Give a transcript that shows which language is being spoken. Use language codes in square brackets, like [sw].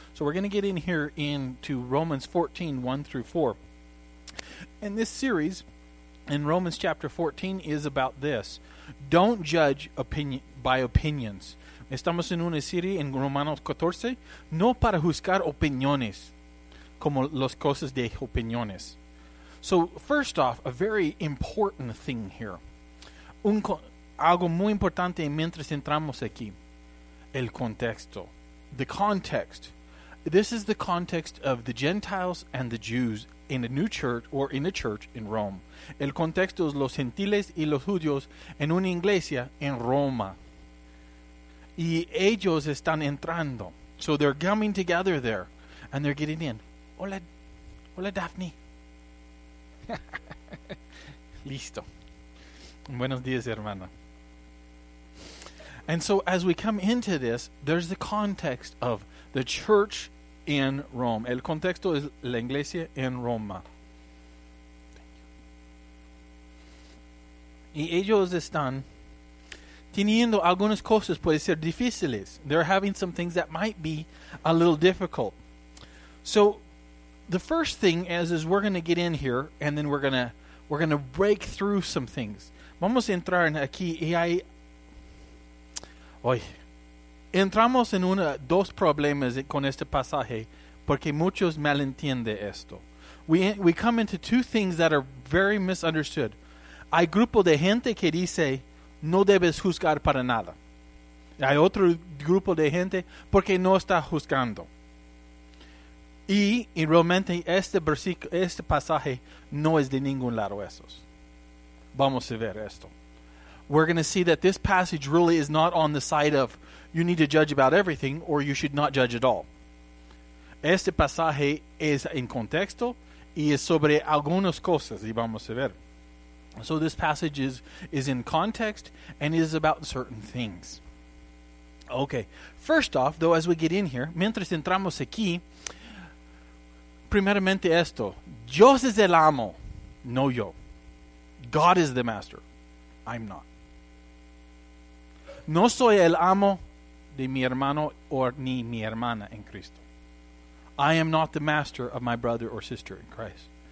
[en] So we're going to get in here into Romans 14, 1 through 4. And this series in Romans chapter 14 is about this. Don't judge by opinions. [es] Estamos en una serie en Romanos 14, no para juzgar opiniones, como las cosas de opiniones. [en] So first off, a very important thing here. [es] Algo muy importante mientras entramos aquí. El contexto. [en] The context. This is the context of the Gentiles and the Jews in a new church or in a church in Rome. [es] El contexto es los gentiles y los judíos en una iglesia en Roma. Y ellos están entrando. [en] So they're coming together there. And they're getting in. [es] Hola, [en] Daphne. [es] Listo. Buenos días, hermana. [en] And so as we come into this, there's the context of the church in Rome. [es] El contexto es la iglesia en Roma. Y ellos están teniendo algunas cosas, puede ser difíciles. [en] They're having some things that might be a little difficult. So the first thing is we're going to get in here, and then we're going to break through some things. [es] Vamos a entrar aquí y hay... Hoy entramos en dos problemas con este pasaje porque muchos malentienden esto. [en] We come into two things that are very misunderstood. [es] Hay grupo de gente que dice no debes juzgar para nada. Hay otro grupo de gente porque no está juzgando. Y realmente este pasaje no es de ningún lado esos. Vamos a ver esto. [en] We're going to see that this passage really is not on the side of you need to judge about everything or you should not judge at all. [es] Este pasaje es en contexto y es sobre algunas cosas, y vamos a ver. [en] So this passage is in context and is about certain things. Okay, first off, though, as we get in here, [es] mientras entramos aquí, primeramente esto, Dios es el amo, no yo. [en] God is the master, I'm not. [es] No soy el amo de mi hermano o ni mi hermana en Cristo. [en] I am not the master of my brother or sister in Christ.